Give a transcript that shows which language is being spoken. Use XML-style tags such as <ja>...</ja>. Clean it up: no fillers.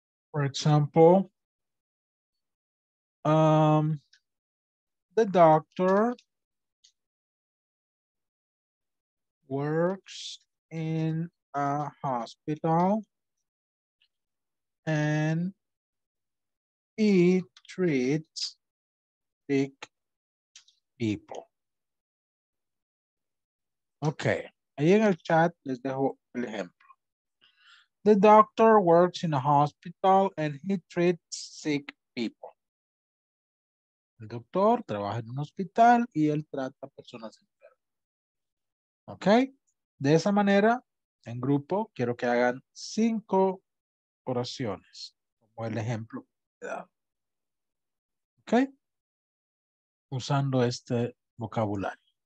<en>For example, the doctor works in a hospital and he treats sick people.</en> <es>Okay, ahí en el chat les dejo el ejemplo.</es> <en>The doctor works in a hospital and he treats sick people.</en> <es>El doctor trabaja en un hospital y él trata personas enfermas. Okay, de esa manera, en grupo, quiero que hagan 5 oraciones, como el ejemplo que he dado. Okay, usando este vocabulario.</es>